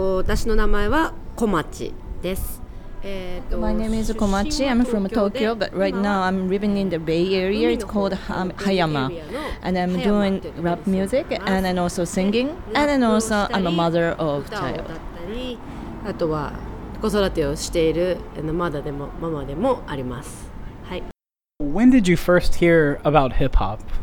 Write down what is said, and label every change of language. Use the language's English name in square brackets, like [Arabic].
[Japanese] 私の名前は小町です。 [English] My name is Komachi. I'm from Tokyo, but right now I'm living in the Bay Area. It's called Hayama. And I'm doing rap music and then also singing. And then also I'm a mother of child. [Japanese] あとは子育てをしているマダでもママでもあります。はい。 [English] When did you first hear about hip hop?